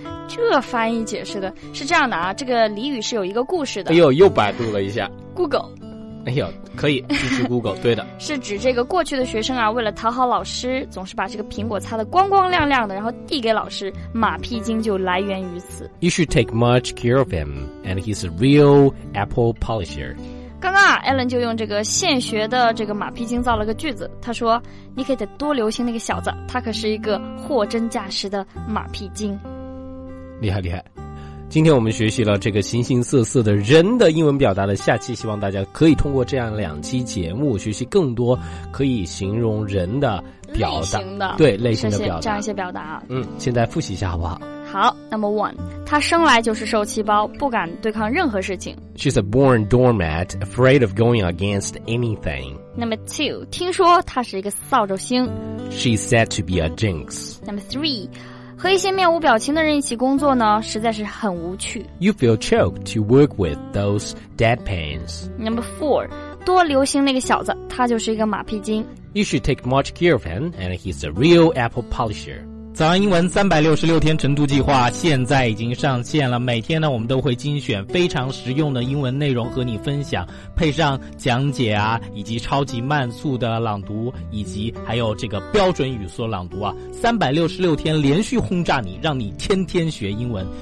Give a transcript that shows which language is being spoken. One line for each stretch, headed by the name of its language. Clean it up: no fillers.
Chinese: 这翻译解释的是这样的啊，这个俚语是有一个故事的。哎呦，又百度了一下。 Google，哎呦，可以支持 Google， 对的，是指这个过去的学生啊，为了讨好老师，总是把这个苹果擦得光光亮亮的，然后递给老师，马屁精就来源于此。
English: You should take much care of him, and he's a real apple polisher.
Chinese: 刚刚啊 ，Alan 就用这个现学的这个马屁精造了个句子。他说：“你可得多留心那个小子，他可是一个货真价实的马屁精。” 厉害厉害！今天我们学习了这个形形色色的人的英文表达的，下期希望大家可以通过这样两期节目学习更多可以形容人的表达，类型的对类型的表达这样一些表达。嗯，现在复习一下好不好？好 ，
English: Number one，
Chinese: 他生来就是受气包，不敢对抗任何事情。
English: She's a born doormat, afraid of going against anything. Number two，
Chinese: 听说他是一个扫帚星。
English: She's said to be a jinx. Number three，
Chinese: 和一些面无表情的人一起工作呢，实在是很无趣。
English: You feel choked to work with those deadpans. Number four，
Chinese: 多留心那个小子，他就是一个马屁精。
English: You should take much care of him, and he's a real apple polisher.
Chinese: 早安英文366天晨读计划现在已经上线了，每天呢我们都会精选非常实用的英文内容和你分享，配上讲解啊，以及超级慢速的朗读，以及还有这个标准语速朗读啊，366天连续轰炸你，让你天天学英文。